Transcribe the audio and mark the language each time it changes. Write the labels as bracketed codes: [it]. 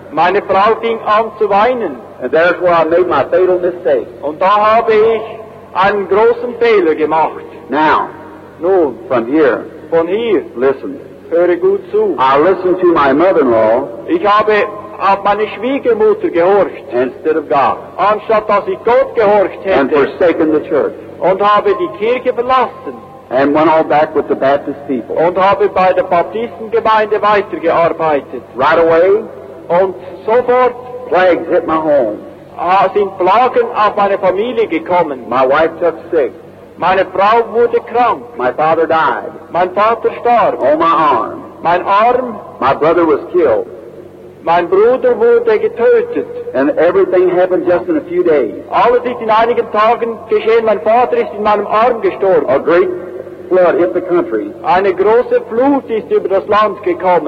[de] Meine Frau fing an zu weinen. [en] And that's where I made my fatal mistake. [de] Und da habe ich einen großen Fehler gemacht. [en] Now, [de] nun, [en] from here, [de] von hier, [en] listen, [de] höre gut zu. [en] I listened to my mother-in-law. [de] Ich habe auf meine Schwiegermutter gehorcht. [en] Instead of God. [de] Anstatt dass ich Gott gehorcht hätte. [en] And forsaken the church. [de] Und habe die Kirche verlassen. [en] And went all back with the Baptist people. [de] Und habe bei der Baptistengemeinde weitergearbeitet. [en] Right away. [de] Und sofort. [en] Plagues hit my home. [de] Sind Plagen auf meine Familie gekommen. [en] My wife took sick. [de] Meine Frau wurde krank. [en] My father died. [de] Mein Vater starb. [en] Oh, my arm. [de] Mein Arm. [en] My brother was killed. [de] Mein Bruder wurde getötet. [en] And everything happened just in a few days. [de] Alles ist in einigen Tagen geschehen. Mein Vater ist in meinem Arm gestorben. [en] A great flood hit the country. [de] Eine große Flut ist über das Land gekommen.